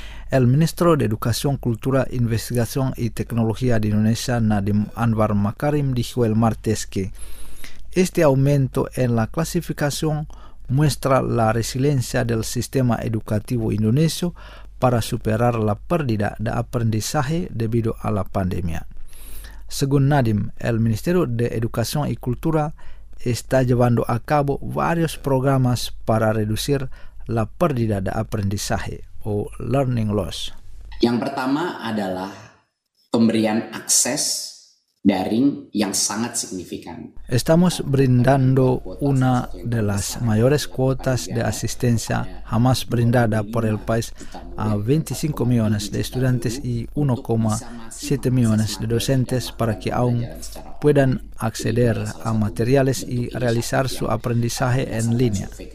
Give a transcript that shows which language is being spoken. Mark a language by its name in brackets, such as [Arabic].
[Spanish] El ministro de Educación, Cultura, Investigación y Tecnología de Indonesia, Nadiem Anwar Makarim, dijo el martes que este aumento en la clasificación muestra la resiliencia del sistema educativo indonesio para superar la pérdida de aprendizaje debido a la pandemia. Según Nadiem, el Ministerio de Educación y Cultura está llevando a cabo varios programas para reducir la pérdida de aprendizaje o learning loss. [Indonesian] Yang pertama adalah pemberian akses daring yang sangat signifikan. [Spanish] Estamos brindando una de las mayores cuotas de asistencia jamás brindada por el país a 25 millones de estudiantes y 1,7 millones de docentes para que aún puedan acceder a materiales y realizar su aprendizaje en línea.